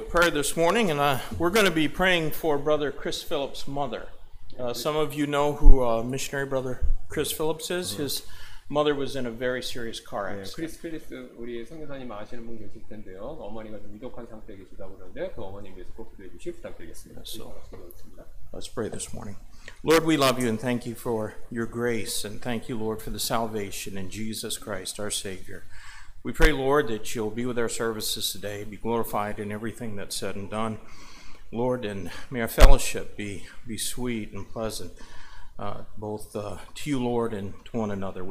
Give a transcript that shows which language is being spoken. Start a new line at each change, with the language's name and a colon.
English: This morning, and we're going to be praying for Brother Chris Phillips' mother. Some of you know who missionary Brother Chris Phillips is. Mm-hmm. His mother was in a very serious car accident.
Korean: 크리스 필립스 우리 선교사님 아시는 분 계실 텐데요. 어머니가 좀 위독한 상태에 계시다고 그러는데 그 어머님 위해서 꼭 기도해 주시기 부탁드리겠습니다.
English: So, let's pray this morning. Lord, we love you and thank you for your grace and thank you, Lord, for the salvation in Jesus Christ, our Savior. We pray, Lord, that you'll be with our services today, be glorified in everything that's said and done. Lord, and may our fellowship be sweet and pleasant, both to you, Lord, and to one another.